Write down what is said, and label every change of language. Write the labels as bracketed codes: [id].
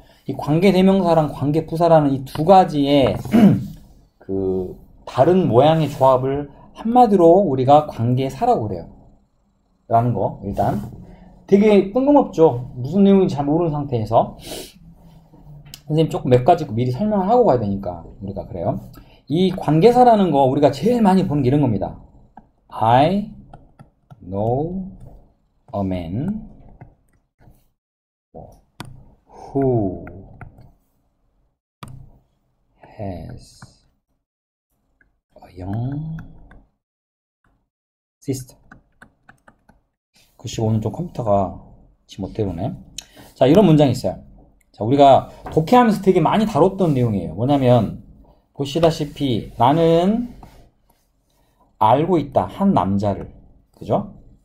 [ko] 이 관계 대명사랑 관계 부사라는 이두 가지의 그 다른 모양의 조합을 한마디로 우리가 관계사라고 그래요. 라는 거, 일단. 되게 뜬금없죠? 무슨 내용인지 잘 모르는 상태에서. 선생님, 조금 몇 가지 미리 설명을 하고 가야 되니까, 우리가 그래요. 이 관계사라는 거, 우리가 제일 많이 보는 게 이런 겁니다. [en] I know a man who has a young sister. [ko] 글씨 오늘 좀 컴퓨터가 지 멋대로 오네. 자, 이런 문장이 있어요. 자, 우리가 독해하면서 되게 많이 다뤘던 내용이에요. 뭐냐면, 보시다시피 나는 알고 있다. 한 남자를. 그죠?